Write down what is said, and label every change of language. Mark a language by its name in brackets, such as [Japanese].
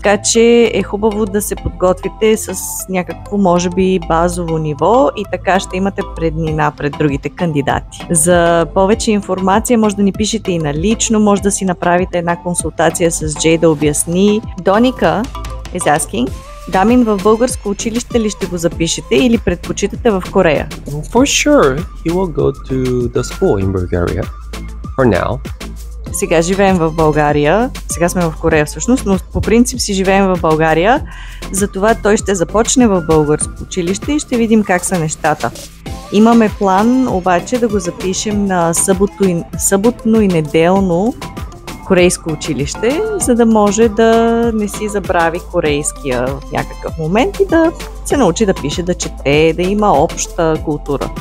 [Bulgarian] Така че е хубаво да се подготвите с някакво, може би, базово ниво и така ще имате преднина пред другите кандидати. За повече информация може да ни пишете и на лично, може да си направите една консултация с Джей да обясни. Доника [English] is asking, [Bulgarian] Дамин в българско училище ли ще го запишете или предпочитате в Корея? [English] For sure, he will go to the school in Bulgaria. For now. [Bulgarian] Сега живеем в България, сега сме в Корея всъщност, но по принцип си живеем в България, затова той ще започне в българско училище и ще видим как са нещата. Имаме план обаче да го запишем на съботно и неделно корейско училище, за да може да не си забрави корейския в някакъв момент и да се научи да пише, да чете, да има обща култура.